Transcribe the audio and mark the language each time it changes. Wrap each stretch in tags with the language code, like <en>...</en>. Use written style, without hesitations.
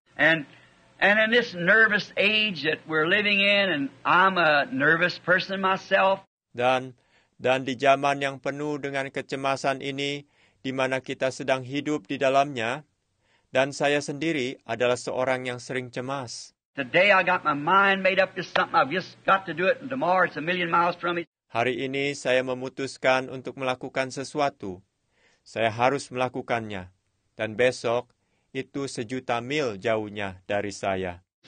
<en>And in this nervous age that we're living in, and I'm a nervous person myself.</en> <id>Dan di zaman yang penuh dengan kecemasan ini, di mana kita sedang hidup di dalamnya, dan saya sendiri adalah seorang yang sering cemas.</id> <en>Today I got my mind made up to something. I've just got to do it, and tomorrow it's a million miles from me.</en> <id>Hari ini saya memutuskan untuk melakukan sesuatu. Saya harus melakukannya. Dan besok, itu sejuta mil jauhnya dari saya.</id>